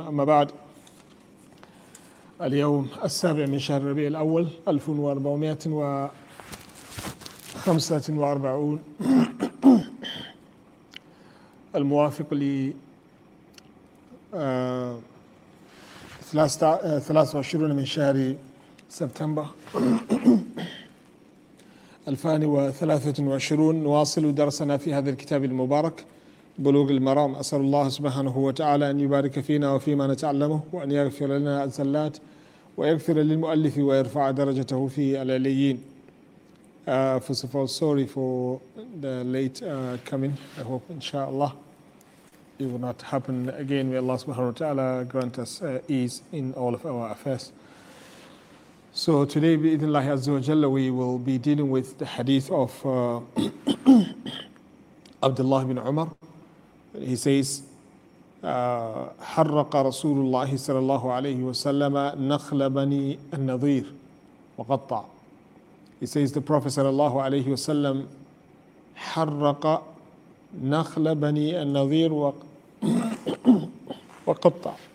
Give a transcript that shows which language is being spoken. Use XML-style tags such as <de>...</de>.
<ar>أما بعد، اليوم السابع من شهر ربيع الأول 1445 الموافق ل 23 من شهر سبتمبر 2023. نواصل درسنا في هذا الكتاب المبارك بلوغ المرام. أسأل الله سبحانه وتعالى أن يبارك فينا وفيما نتعلمه، وأن يغفر لنا الزلات، ويغفر للمؤلف ويرفع درجته في العليين.</ar> <en>First of all, sorry for the late coming. I hope inshallah it will not happen again. May Allah subhanahu wa ta'ala grant us ease in all of our affairs. So today,</en> <ar>بإذن الله عز وجل,</ar> <en>we will be dealing with the hadith of Abdullah ibn Umar. He says,</en> <ar>حرق رسول الله صلى الله عليه وسلم نخل بني النضير وقطع.</ar> <en>He says the Prophet</en> <ar>صلى الله عليه وسلم حرق نخل بني النضير وقطع.</ar>